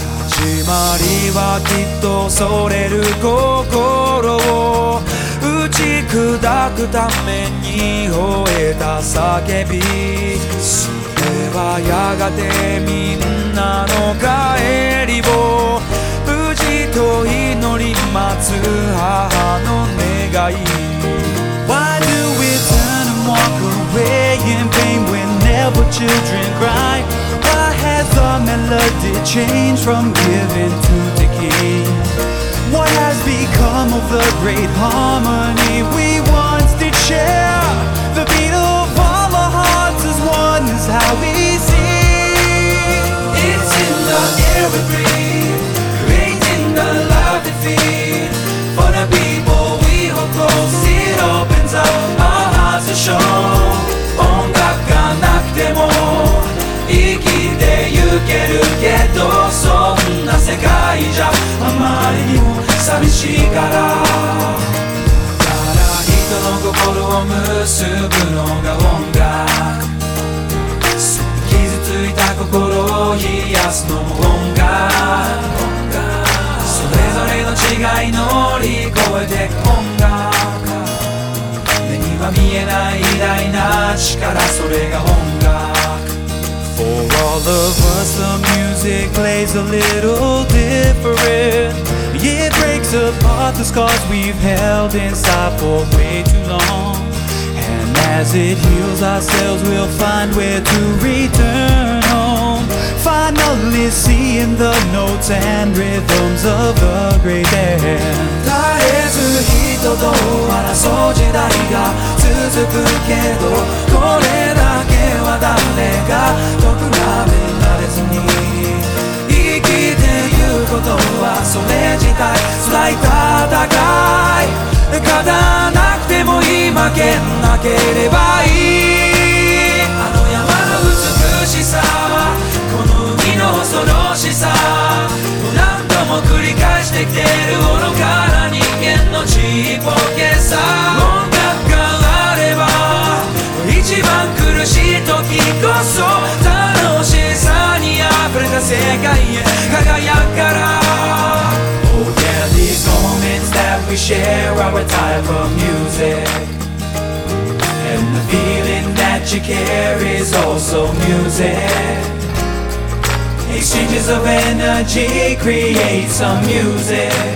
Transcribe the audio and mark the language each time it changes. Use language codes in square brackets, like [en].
[ja] 始まりはきっと恐れる心を打ち砕くために吠えた叫び、それはやがてみんなの帰りを無事と祈り待つ母の願い。 [en] Why do we turn and walk away in pain whenever children cry? The melody changed from giving to taking. What has become of the great harmony we once did share? The beat of all our hearts is one, is how we sing. It's in the air we breathe, creating the love we feed. For the people we hold close, it opens up our hearts to show. [ja] 音楽がなくても生きてゆけるけど、そんな世界じゃあまりにも寂しいから、だから人の心を結ぶのが音楽。傷ついた心を癒すのも音楽。それぞれの違い乗り越えてく音楽。目には見えない偉大な力、それが音楽。 [en] For all of us, the music plays a little different. It breaks apart the scars we've held inside for way too long. And as it heals ourselves, we'll find where to return home. Finally seeing the notes and rhythms of the great band. [ja] 絶えず人と争う時代が続くけど、これだけは誰が比べられずに生きてゆくことは、それ自体辛い戦い、勝たなくても今負けなければいい。あの山の美しさは、この海の恐ろしさ、何度も繰り返してきてる愚かな人間のちっぽけさ。音楽があれば一番苦しい時こそ楽しさに溢れた世界へ輝くから。 [en] Oh yeah, these moments that we share are a type of music. And the feeling that you care is also music. Exchanges of energy create some music.